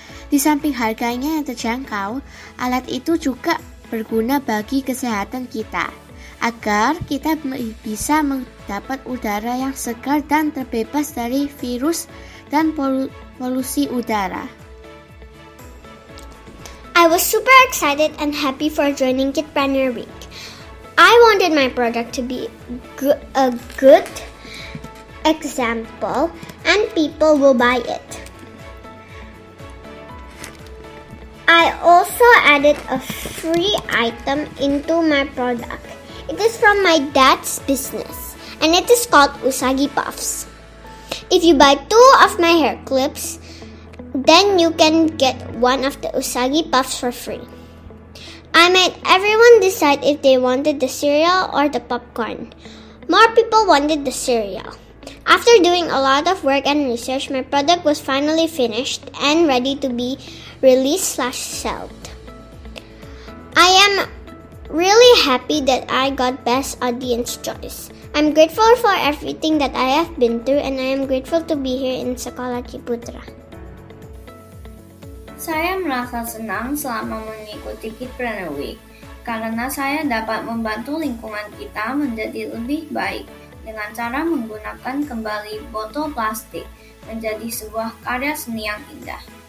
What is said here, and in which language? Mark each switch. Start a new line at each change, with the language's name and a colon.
Indonesian: Di samping harganya yang terjangkau, alat itu juga berguna bagi kesehatan kita, agar kita bisa mendapat udara yang segar dan terbebas dari virus dan polusi udara.
English: I was super excited and happy for joining Kidpreneur Week. I wanted my product to be a good example and people will buy it. I also added a free item into my product. It is from my dad's business and it is called Usagi Puffs. If you buy two of my hair clips, then you can get one of the Usagi Puffs for free. I made everyone decide if they wanted the cereal or the popcorn. More people wanted the cereal. After doing a lot of work and research, my product was finally finished and ready to be released / sold. I am really happy that I got best audience choice. I'm grateful for everything that I have been through, and I am grateful to be here in Sekolah Ciputra.
Indonesian: Saya merasa senang selama mengikuti Kidpreneur Week karena saya dapat membantu lingkungan kita menjadi lebih baik dengan cara menggunakan kembali botol plastik menjadi sebuah karya seni yang indah.